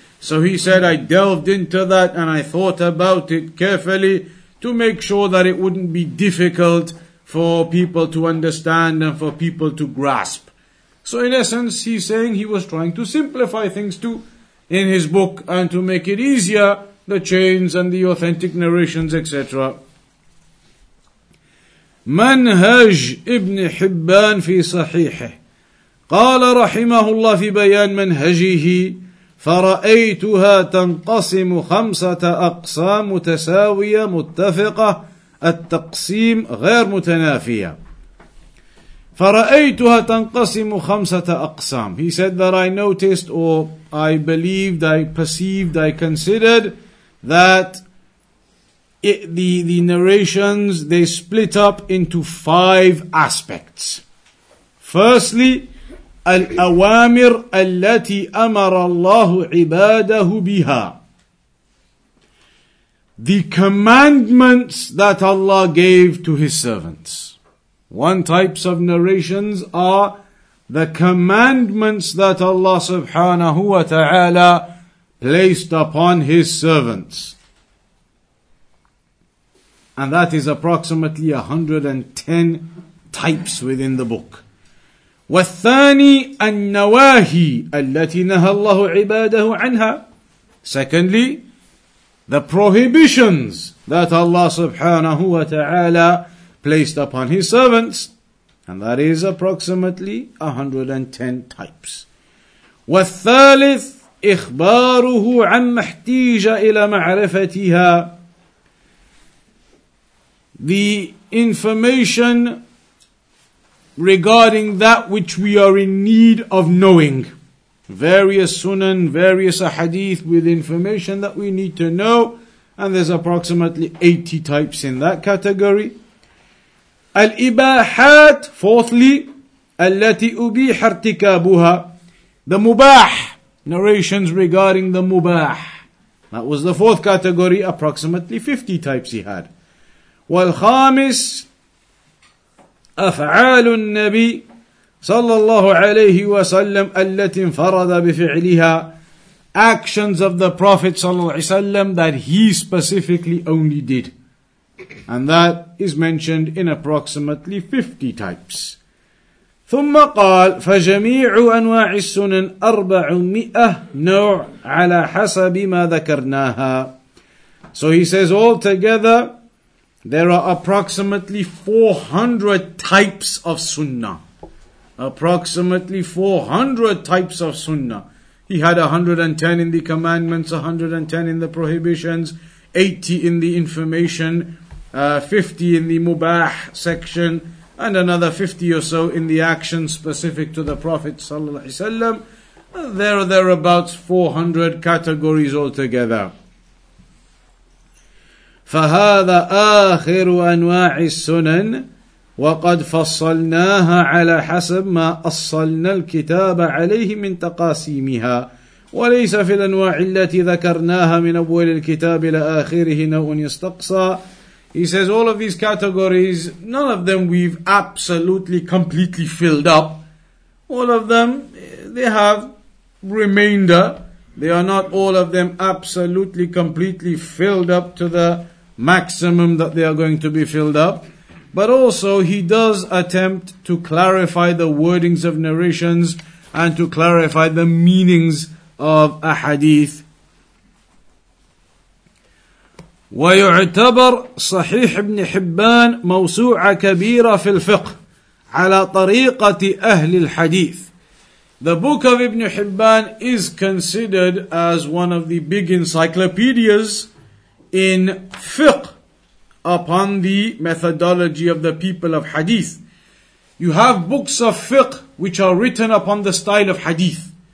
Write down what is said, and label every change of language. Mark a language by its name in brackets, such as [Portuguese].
[English] So he said, I delved into that and I thought about it carefully, to make sure that it wouldn't be difficult for people to understand and for people to grasp. So in essence, he's saying he was trying to simplify things too in his book and to make it easier, the chains and the authentic narrations, etc. [Arabic] منهج ابن حبان في صحيحه قال رحمه الله في بيان منهجه فرأيتها تنقسم خمسة أقسام متساوية متفقة التقسيم غير متنافية. فرأيتها تنقسم خمسة أقسام. [English] He said that I noticed, or I believed, I perceived, I considered that the narrations, they split up into five aspects. Firstly, [Arabic] الأوامر التي أمر الله عباده بها. [English] The commandments that Allah gave to His servants. One types of narrations are the commandments that Allah subhanahu wa ta'ala placed upon His servants. And that is approximately 110 types within the book. [Arabic] والثاني النواهي التي نهى الله عباده عنها. [English] Secondly, the prohibitions that Allah subhanahu wa ta'ala placed upon His servants. And that is approximately 110 types. [Arabic] والثالث إخباره عن محتاج إلى معرفتها. [English] The information regarding that which we are in need of knowing. Various sunan, various ahadith with information that we need to know. And there's approximately 80 types in that category. [Arabic] Al-ibahat, [English] fourthly, [Arabic] التي أبيح ارتكابها. [English] The mubah, narrations regarding the mubah. That was the fourth category, approximately 50 types he had. [Arabic] والخامس أفعال النبي صلى الله عليه وسلم التي انفرد بفعلها. [English] Actions of the Prophet [Arabic] صلى الله عليه وسلم [English] that he specifically only did. And that is mentioned in approximately 50 types. [Arabic] ثم قال فجميع أنواع السنن 400 نوع على حسب ما ذكرناها. [English] So he says altogether there are approximately 400 types of sunnah. Approximately 400 types of sunnah. He had 110 in the commandments, 110 in the prohibitions, 80 in the information, 50 in the mubah section, and another 50 or so in the actions specific to the Prophet sallallahu alaihi wasallam. There are thereabouts 400 categories altogether. [Arabic] فهذا آخر أنواع السنن وقد فصلناها على حسب ما أصلنا الكتاب عليه من تقاسيمها وليس في الأنواع التي ذكرناها من أول الكتاب إلى آخره نوع يستقصى. [English] He says all of these categories, none of them we've absolutely completely filled up. All of them, they have remainder. They are not all of them absolutely completely filled up to the maximum that they are going to be filled up. But also he does attempt to clarify the wordings of narrations and to clarify the meanings of a hadith. [Arabic] ويعتبر صحيح ابن حبان موسوعة كبيرة في الفقه على طريقة أهل الحديث. [English] The book of Ibn Hibban is considered as one of the big encyclopedias in fiqh, upon the methodology of the people of hadith. You have books of fiqh which are written upon the style of hadith.